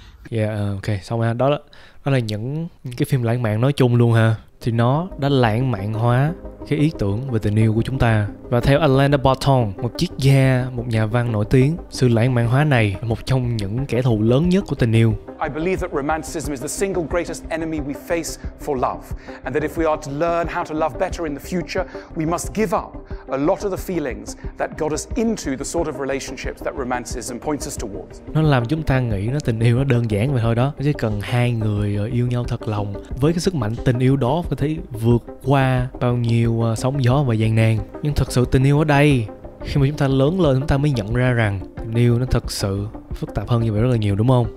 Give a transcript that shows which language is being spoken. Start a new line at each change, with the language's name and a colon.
Vietnamese: Yeah, ok, xong rồi. Đó là những cái phim lãng mạn nói chung luôn ha. Thì nó đã lãng mạn hóa cái ý tưởng về tình yêu của chúng ta. Và theo Alain de Botton, một triết gia, một nhà văn nổi tiếng, sự lãng mạn hóa này là một trong những kẻ thù lớn nhất của tình yêu.
English: I believe that romanticism is the single greatest enemy we face for love, and that if we are to learn how to love better in the future, we must give up a lot of the feelings that got us into the sort of relationships that romanticism points us towards.
Vietnamese: Nó làm chúng ta nghĩ nó tình yêu nó đơn giản vậy thôi đó, chỉ cần hai người yêu nhau thật lòng với cái sức mạnh tình yêu đó có thể vượt qua bao nhiêu sóng gió và gian nan. Nhưng thật sự tình yêu ở đây, khi mà chúng ta lớn lên chúng ta mới nhận ra rằng tình yêu nó thật sự phức tạp hơn như vậy rất là nhiều, đúng không?